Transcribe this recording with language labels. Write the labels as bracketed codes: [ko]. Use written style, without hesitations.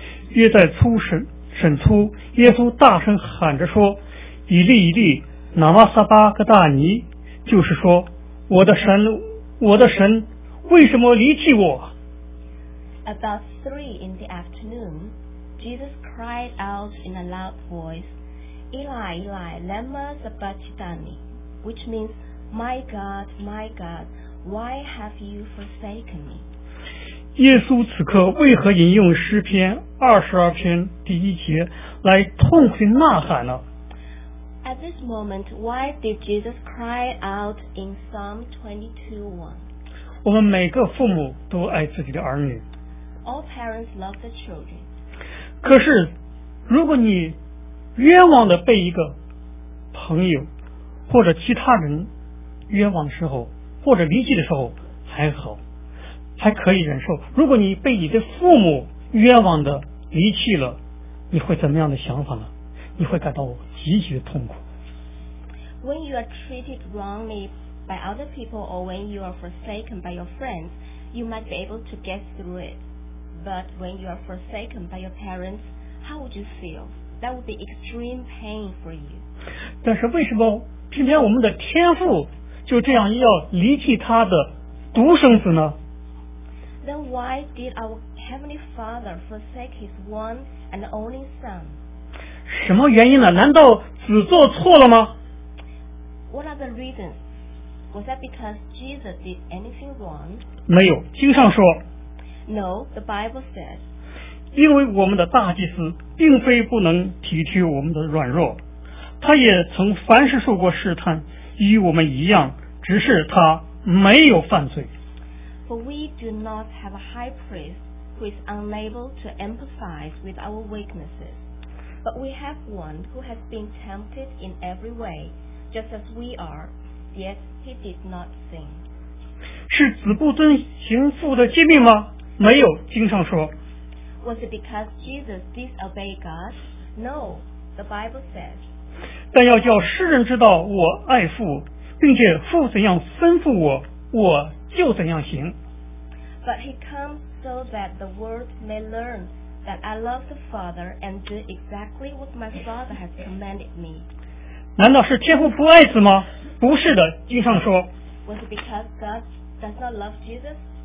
[zh] 约在初审初，耶稣大声喊着说：“以利以利，拿马撒巴格大尼，就是说，我的神，我的神，为什么离弃我？” [en] About 3 in the afternoon, Jesus cried out in a loud voice. [arc] Eli, Eli, lema sabachthani, [en] which means, my God, why have you forsaken me? [zh] 耶稣此刻为何引用诗篇22第一节来痛悔呐喊呢？ [en] At this moment, why did Jesus cry out in Psalm 22:1? [zh] 我们每个父母都爱自己的儿女。 [en] All parents love their children. [zh] 可是，如果你冤枉的被一个朋友或者其他人冤枉的时候或者离弃的时候还好，还可以忍受。如果你被你的父母冤枉的离弃了，你会怎么样的想法呢？你会感到极其的痛苦。 [en] When you are treated wrongly by other people or when you are forsaken by your friends, you might be able to get through it. But when you are forsaken by your parents, how would you feel? That would be extreme pain for you. [zh] 但是为什么偏偏我们的天父就这样要离弃他的独生子呢？ [en] Then why did our heavenly father forsake his one and only son? [zh] 什么原因呢？难道子做错了吗？ [en] What are the reasons? Was that because Jesus did anything wrong? [zh] 没有，经上说。 [en] No, the Bible says. [zh] 因为我们的大祭司并非不能体贴我们的软弱，他也曾凡事受过试探，与我们一样，只是他没有犯罪。 [en] For we do not have a high priest who is unable to empathize with our weaknesses, but we have one who has been tempted in every way, just as we are, yet he did not sin. [zh] 是子不遵行父的诫命吗？没有，经上说。 [en] Was it because Jesus disobeyed God? No, the Bible says. [zh] 但要叫世人知道我爱父，并且父怎样吩咐我，我就怎样行。 [en] But he comes so that the world may learn that I love the Father and do exactly what my Father has commanded me. [zh] 难道是天父不爱子吗？不是的，经上说。 [en] Was it because God does not love Jesus?